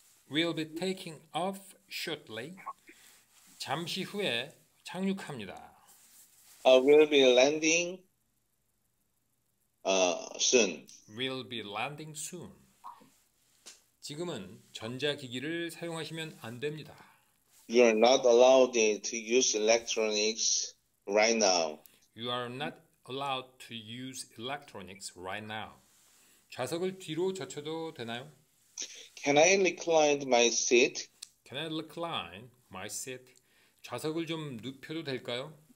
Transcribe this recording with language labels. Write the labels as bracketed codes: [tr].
[en] We'll be taking off shortly. [ko] 잠시 후에 착륙합니다. [en] We'll be landing soon. We'll be landing soon. [ko] 지금은 전자기기를 사용하시면 안 됩니다. [en] You are not allowed to use electronics right now. You are not allowed to use electronics right now. [ko] 좌석을 뒤로 젖혀도 되나요? [en] Can I recline my seat? Can I recline my seat? [ko] 좌석을 좀 눕혀도 될까요?